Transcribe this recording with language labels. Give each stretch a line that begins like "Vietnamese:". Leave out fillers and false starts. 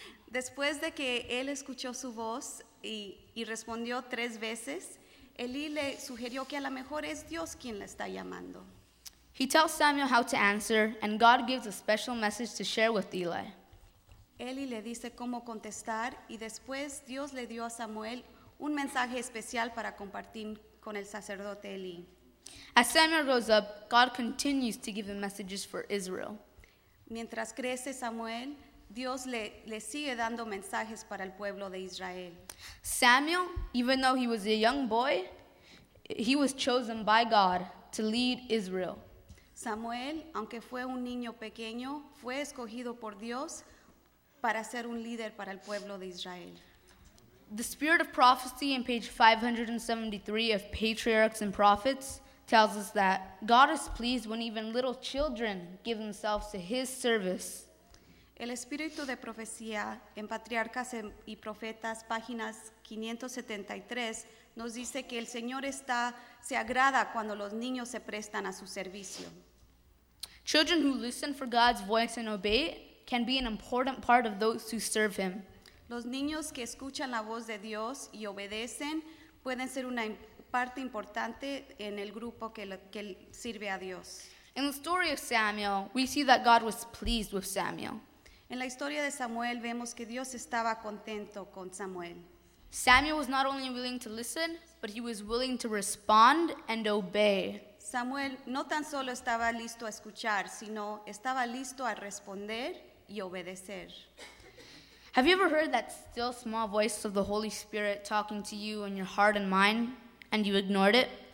Spanish: Después de que él escuchó su voz y respondió tres veces, Eli le sugirió que a lo mejor es Dios quien le está llamando.
English: He tells Samuel how to answer, and God gives a special message to share with Eli.
Spanish: Eli le dice cómo contestar, y después Dios le dio a Samuel un mensaje especial para compartir con el sacerdote Eli.
English: As Samuel grows up, God continues to give him messages for Israel.
Spanish: Mientras crece Samuel, Dios le sigue dando mensajes para el pueblo de Israel.
English: Samuel, even though he was a young boy, he was chosen by God to lead Israel.
Spanish: Samuel, aunque fue un niño pequeño, fue escogido por Dios para ser un líder para el pueblo de Israel.
English: The Spirit of Prophecy in page 573 of Patriarchs and Prophets tells us that God is pleased when even little children give themselves to his service.
Spanish: El Espíritu de Profecía en Patriarcas y Profetas, páginas 573, nos dice que el Señor se agrada cuando los niños se prestan a su servicio.
English: Children who listen for God's voice and obey can be an important part of those who serve him.
Spanish: Los niños que escuchan la voz de Dios y obedecen pueden ser una parte importante en el grupo que sirve a Dios.
English: In the story of Samuel, we see that God was pleased with Samuel.
Spanish: En la historia de Samuel vemos que Dios estaba contento con Samuel.
English: Samuel was not only willing to listen, but he was willing to respond and obey.
Spanish: Samuel no tan solo estaba listo a escuchar, sino estaba listo a responder y obedecer.
English: Have you ever heard that still small voice of the Holy Spirit talking to you in your heart and mind, and you ignored it?